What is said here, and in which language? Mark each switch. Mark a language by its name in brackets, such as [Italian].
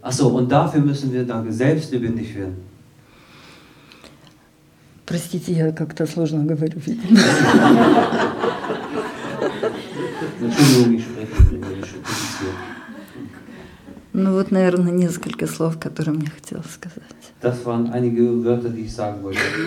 [German] Ach so, und dafür müssen wir dann selbst lebendig werden. [Russian] Простите, я как-то сложно говорю. [German] Entschuldigung, ich spreche. [Russian] Ну вот, наверное, несколько слов, которые мне хотелось сказать. [German] Das waren einige Wörter, die ich sagen wollte.